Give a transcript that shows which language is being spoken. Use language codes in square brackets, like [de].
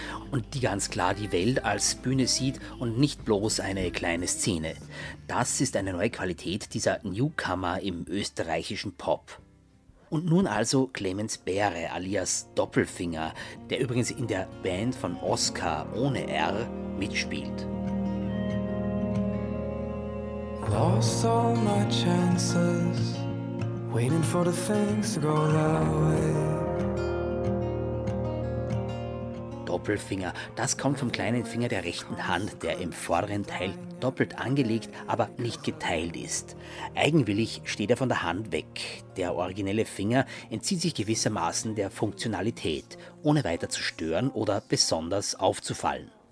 [de] Und die ganz klar die Welt als Bühne sieht und nicht bloß eine kleine Szene. Das ist eine neue Qualität dieser Newcomer im österreichischen Pop. Und nun also Clemens Behre alias Doppelfinger, der übrigens in der Band von Oskar ohne R mitspielt. [en] Lost all my chances, waiting for the things to go that way. [de] Doppelfinger, das kommt vom kleinen Finger der rechten Hand, der im vorderen Teil doppelt angelegt, aber nicht geteilt ist. Eigenwillig steht er von der Hand weg. Der originelle Finger entzieht sich gewissermaßen der Funktionalität, ohne weiter zu stören oder besonders aufzufallen.